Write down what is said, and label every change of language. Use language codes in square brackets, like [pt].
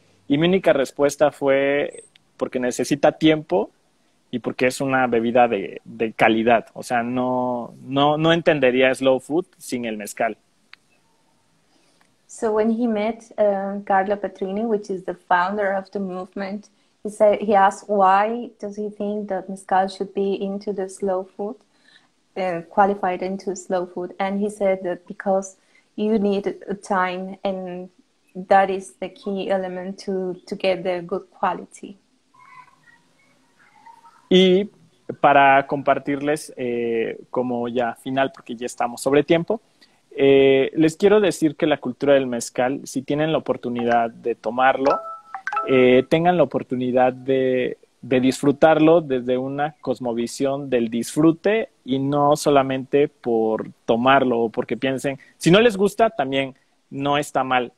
[es] Y mi única respuesta fue porque necesita tiempo y porque es una bebida de calidad. O sea, no entendería Slow Food sin el mezcal. [en] So when he met Carlo Petrini, which is the founder of the movement, he said, he asked why does he think that mezcal should be into the Slow Food? Qualified into slow food, and he said that because you need time, and that is the key element to get the good quality. [es] Y para compartirles como ya final, porque ya estamos sobre tiempo, les quiero decir que la cultura del mezcal, si tienen la oportunidad de tomarlo, tengan la oportunidad de disfrutarlo desde una cosmovisión del disfrute y no solamente por tomarlo o porque piensen, si no les gusta, también no está mal.